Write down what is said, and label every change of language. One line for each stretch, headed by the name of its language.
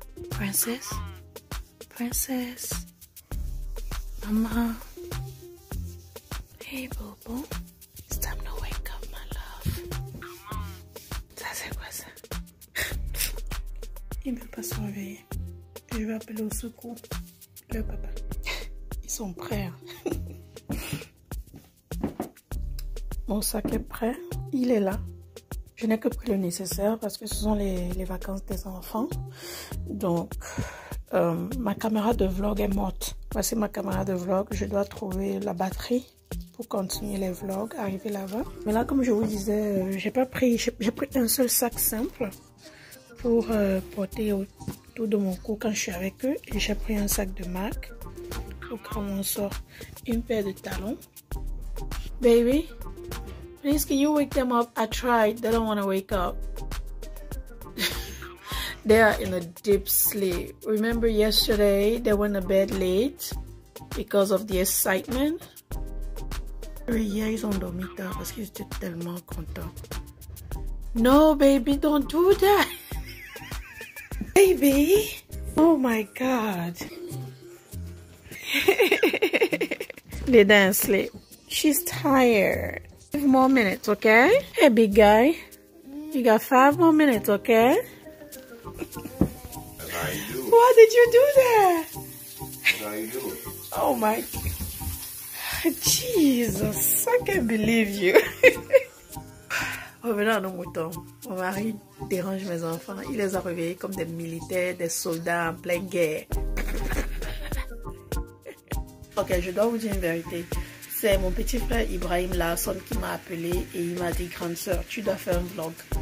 French: Princesse, princesse, maman,
English: hey bobo, it's time to wake up my love.
French: Ça c'est quoi ça? Il ne peut pas se réveiller. Je vais appeler au secours le papa. Ils sont prêts. Mon sac est prêt, il est là. Je n'ai que pris le nécessaire parce que ce sont les vacances des enfants. Donc, ma caméra de vlog est morte. Voici ma caméra de vlog. Je dois trouver la batterie pour continuer les vlogs, arriver là-bas. Mais là, comme je vous disais, j'ai pris un seul sac simple pour porter autour de mon cou quand je suis avec eux. Et j'ai pris un sac de Mac pour quand on sort, une paire de talons.
English: Baby, please can you wake them up? I tried. They don't want to wake up. They are in a deep sleep. Remember yesterday they went to bed late because of the excitement?
French: Oui, hier ils ont dormi tard parce qu'ils étaient tellement contents.
English: No baby, don't do that. Baby, oh my god. They didn't sleep. She's tired. 5 more minutes, okay? Hey big guy, you got 5 more minutes, okay? I do. Why did you do that? I do. Oh my Jesus, I can't believe you.
French: Revenons à nos moutons. Mon mari dérange mes enfants. Il les a réveillés comme des militaires, des soldats en pleine guerre. Ok, je dois vous dire une vérité. C'est mon petit frère Ibrahim Larson qui m'a appelé et il m'a dit, grande soeur, tu dois faire un vlog.